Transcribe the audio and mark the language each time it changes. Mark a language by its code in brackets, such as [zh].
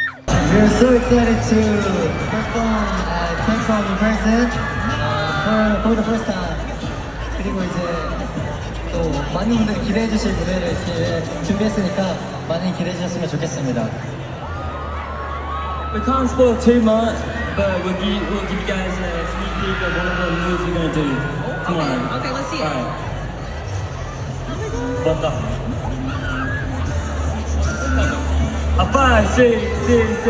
[en] We're so excited to perform at KCON in person for the first time. [ko] 그리고 이제 또 많은 분들 기대해 주실 무대를 이렇게 준비했으니까 많이 기대해 주셨으면 좋겠습니다. [en] We can't spoil too much, but we'll give you guys a sneak peek of one of the moves we're gonna do tomorrow. Okay, okay, let's see it. Right. Oh my God. A 5, 6, 7, 8.